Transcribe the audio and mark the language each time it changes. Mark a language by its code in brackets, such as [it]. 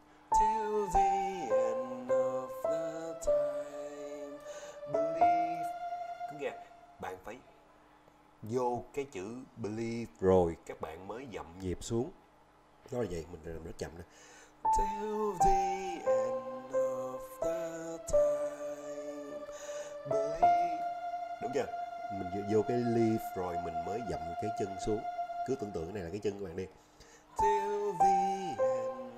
[en] Till the end of the time, believe. [vi] Cứ nghe, bạn phải vô cái chữ believe rồi các bạn mới dậm nhịp xuống. Nói là vậy, mình làm rất chậm đó. [en] Till the end of the time, believe. [vi] Đúng chưa? Mình vô cái leaf rồi mình mới dậm cái chân xuống. Cứ tưởng tượng cái này là cái chân của bạn đi. [en] Till the end.